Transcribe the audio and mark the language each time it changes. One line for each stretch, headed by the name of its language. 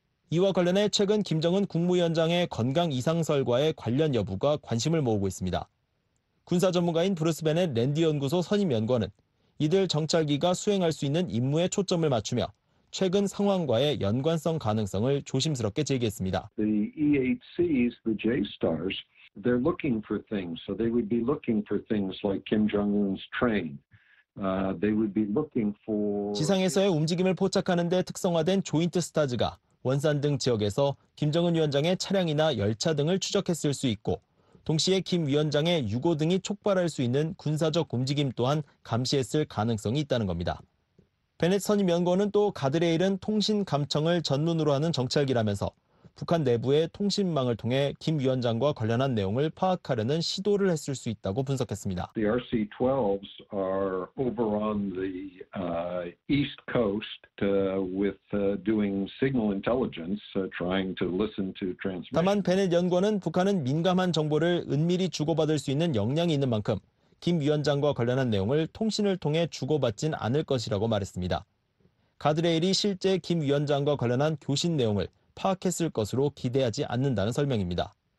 Korean: 이와 관련해 최근 김정은 국무위원장의 건강 이상설과의 관련 여부가 관심을 모으고 있습니다. 군사 전문가인 브루스 베넷 랜디 연구소 선임 연구원은 이들 정찰기가 수행할 수 있는 임무에 초점을 맞추며 최근 상황과의 연관성 가능성을 조심스럽게 제기했습니다.
English: The EHCs, the J-STARS, they're looking for things. So they would be looking for things like Kim Jong-un's train. They would be looking for
Korean: 지상에서의 움직임을 포착하는 데 특성화된 조인트 스타즈가 원산 등 지역에서 김정은 위원장의 차량이나 열차 등을 추적했을 수 있고 동시에 김 위원장의 유고 등이 촉발할 수 있는 군사적 움직임 또한 감시했을 가능성이 있다는 겁니다. 베넷 선임 연구원은 또 가드레일은 통신 감청을 전문으로 하는 정찰기라면서 북한 내부의 통신망을 통해 김 위원장과 관련한 내용을 파악하려는 시도를 했을 수 있다고 분석했습니다.
English: The RC-12s are over on the east coast with doing signal intelligence, trying to listen to transmission.
Korean: 다만 베넷 연구원은 북한은 민감한 정보를 은밀히 주고받을 수 있는 역량이 있는 만큼 김 위원장과 관련한 내용을 통신을 통해 주고받진 않을 것이라고 말했습니다. 가드레일이 실제 김 위원장과 관련한 교신 내용을 파악했을 것으로 기대하지 않는다는 설명입니다.